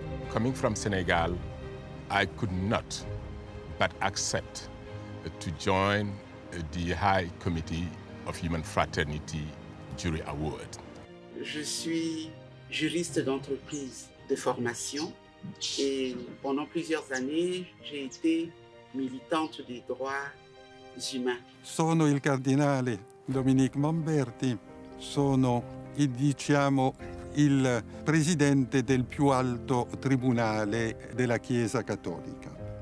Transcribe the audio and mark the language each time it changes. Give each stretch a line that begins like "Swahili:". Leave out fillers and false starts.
English: Coming from Senegal, I could not but accept to join the High Committee of Human Fraternity Jury Award.
French: Je suis juriste d'entreprise de formation Et pendant plusieurs années, j'ai été militante des droits humains.
Italian: Sono il cardinale Dominique Mamberti. Sono, diciamo, il presidente del più alto tribunale della Chiesa Cattolica.